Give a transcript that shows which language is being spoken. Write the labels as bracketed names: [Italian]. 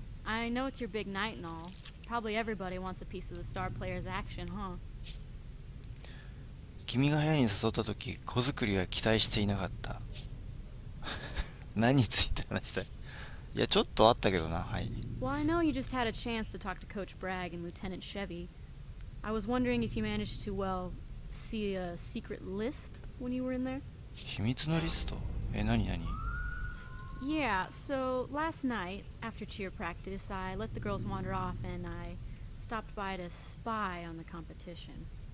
[English] I know it's your big night and all. Probably everybody wants a piece of the star player's action, huh? [Japanese] 君が部屋に誘った時、子作りは期待していなかった。何について話したい？いや、ちょっとあったけどな、はい。 [English] Well, I know you just had a chance to talk to Coach Bragg and Lieutenant Chevy. I was wondering if you managed to, well, see a secret list when you were in there? [Japanese] 秘密のリスト？え、何何？ [English] Yeah, so last night, after cheer practice, I let the girls wander off and I stopped by to spy on the competition.